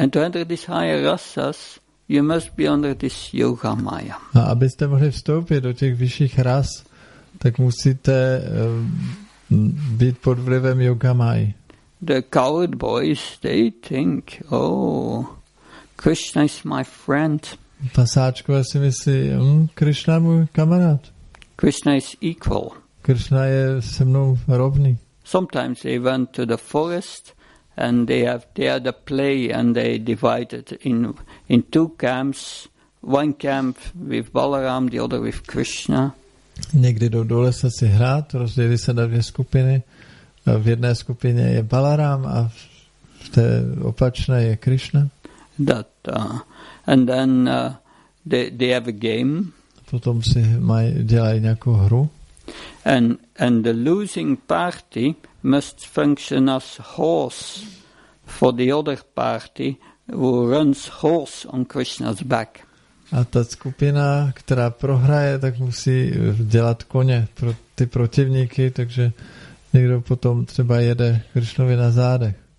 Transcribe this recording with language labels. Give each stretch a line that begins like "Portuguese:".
English: And to enter these higher rasas, you must be under this yoga maya.
Czech: A abyste mohli vstoupit do těch vyšších ras, tak musíte být pod vlivem yoga mayi.
English: The coward boys, they think, oh, Krishna is my friend.
Czech: Pasáčkové si myslí, Krishna je můj kamarád.
English: Krishna is equal.
Czech: Krishna je se mnou rovný.
English: Sometimes they went to the forest and they have there the play and they divided in two camps, one camp with Balaram, the other with Krishna.
Czech: Někdy jdou do lesa si hrát, rozdělí se na dvě skupiny. V jedné skupině je Balaram a v té opačné je Krishna.
English: That and then they have a game.
Czech: Potom si dělají nějakou hru.
English: And the losing party must function as horse for the other party who runs horse on Krishna's back.
Czech: A ta skupina, která prohraje, tak musí dělat koně pro ty protivníky, takže někdo potom třeba jede Krishnovi na zádech.